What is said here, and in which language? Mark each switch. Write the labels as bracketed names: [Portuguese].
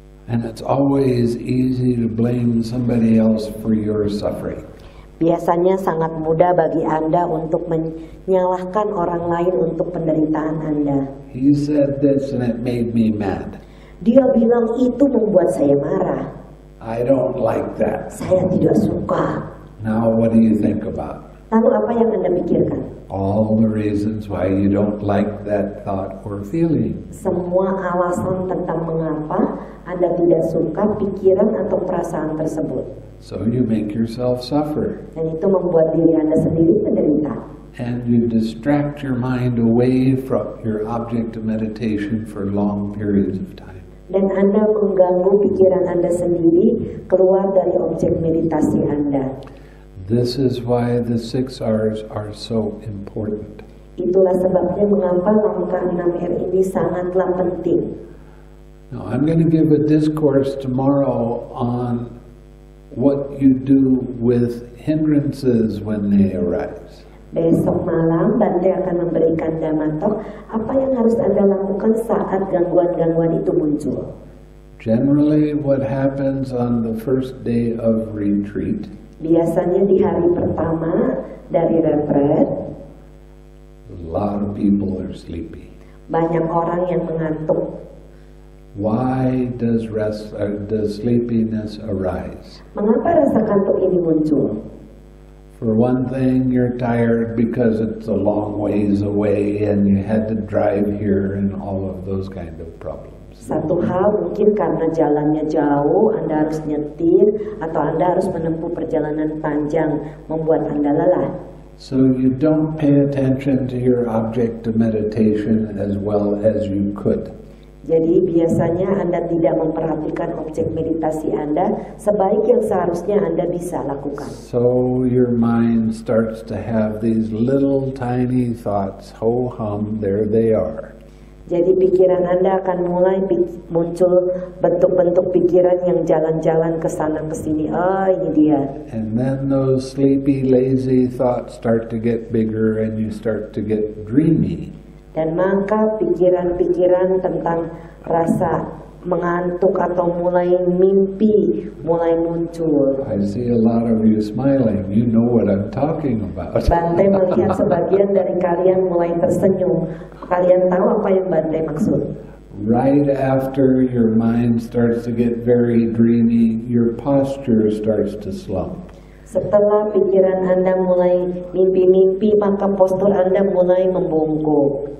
[English] And it's always easy to blame somebody else for your suffering. [Indonesian] Biasanya sangat mudah bagi Anda untuk menyalahkan orang lain untuk penderitaan Anda. [English] He said this and it made me mad. [Indonesian] Dia bilang itu membuat saya marah. [English] I don't like that. [Indonesian] Saya tidak suka. [English] Now what do you think about? [Indonesian] Lalu apa yang Anda pikirkan? [English] All the reasons why you don't like that thought or feeling. [Indonesian] Semua alasan tentang mengapa Anda tidak suka pikiran atau perasaan tersebut. [English] So you make yourself suffer. [Indonesian] Dan itu membuat diri Anda sendiri menderita. [English] And you distract your mind away from your object of meditation for long periods of time. [Indonesian] Dan Anda mengganggu pikiran Anda sendiri keluar dari objek meditasi Anda. [English] This is why the six R's are so important. [Indonesian] Itulah sebabnya mengapa langkah 6 R ini sangatlah penting. [English] Now I'm going to give a discourse tomorrow on what you do with hindrances when they arise. [Indonesian] Besok malam Bante akan memberikan damato apa yang harus Anda lakukan saat gangguan-gangguan itu muncul. [English] Generally what happens on the first day of retreat? [Indonesian] Biasanya di hari pertama dari retreat. [English] A lot of people are sleepy. [Indonesian] Banyak orang yang mengantuk. [English] Why does sleepiness arise? [Indonesian] Mengapa rasa kantuk ini muncul? [English] For one thing, you're tired because it's a long ways away and you had to drive here and all of those kind of problems. [Indonesian] Satu hal mungkin karena jalannya jauh, Anda harus nyetir atau Anda harus menempuh perjalanan panjang membuat Anda lelah. [English] So you don't pay attention to your object of meditation as well as you could. [Indonesian] Jadi biasanya Anda tidak memperhatikan objek meditasi Anda sebaik yang seharusnya Anda bisa lakukan. [English] So your mind starts to have these little tiny thoughts, ho hum, there they are. [Indonesian] Jadi pikiran Anda akan mulai muncul bentuk-bentuk pikiran yang jalan-jalan ke sana ke sini. Oh, ini dia. [English] And then those sleepy, lazy thoughts start to get bigger and you start to get dreamy. [Indonesian] Dan maka pikiran-pikiran tentang rasa mengantuk atau mulai mimpi mulai muncul. [English] I see a lot of you smiling. You know what I'm talking about. [Indonesian] Bante melihat sebagian dari kalian mulai tersenyum. Kalian tahu apa yang Bante maksud? [English] Right after your mind starts to get very dreamy, your posture starts to slump. [Indonesian] Setelah pikiran Anda mulai mimpi-mimpi, maka postur Anda mulai membungkuk.